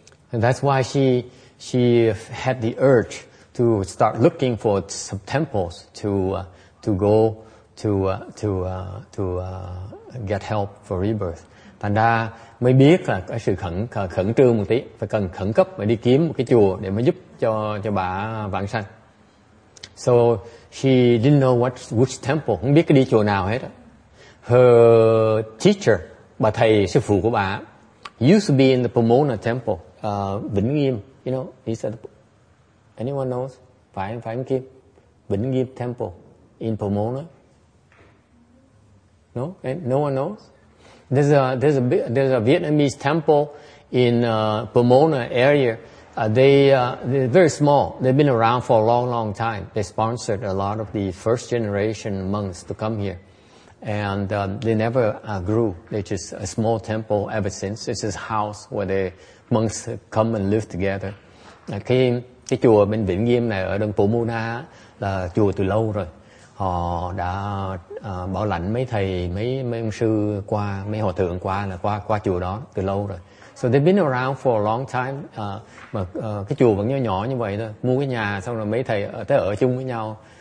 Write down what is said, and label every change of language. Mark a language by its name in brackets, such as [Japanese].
[English] And that's why she had the urge to start looking for some temples to go to get help for rebirth. [Vietnamese] Thành ra mới biết là cái sự khẩn trương một tí, phải cần khẩn cấp mà đi kiếm một cái chùa để mới giúp cho bà vãng sanh. [English] So she didn't know which temple, [Vietnamese] không biết cái đi chùa nào hết. [English] Her teacher, [Vietnamese] bà thầy sư phụ của bà, [English] used to be in the Pomona Temple, Vĩnh Nghiêm, you know, he said, anyone knows? [Vietnamese] Phải không [English] Kim? Vĩnh Nghiêm Temple in Pomona. No, no one knows. There's a Vietnamese temple in Pomona area. They're very small. They've been around for a long time. They sponsored a lot of the first generation monks to come here. And they never grew. They just a small temple ever since. It's this house where the monks come and live together. [Vietnamese] Khi cái chùa bên Vĩnh Nghiêm này ở đường Pô Mô Na là chùa từ lâu rồi. Họ đã bảo lãnh mấy thầy, mấy ông sư qua, mấy hòa thượng qua là qua chùa đó từ lâu rồi. [English] So they've been around for a long time. [Vietnamese] Mà cái chùa vẫn nhỏ như vậy thôi. Mua cái nhà xong rồi mấy thầy tới ở chung với nhau.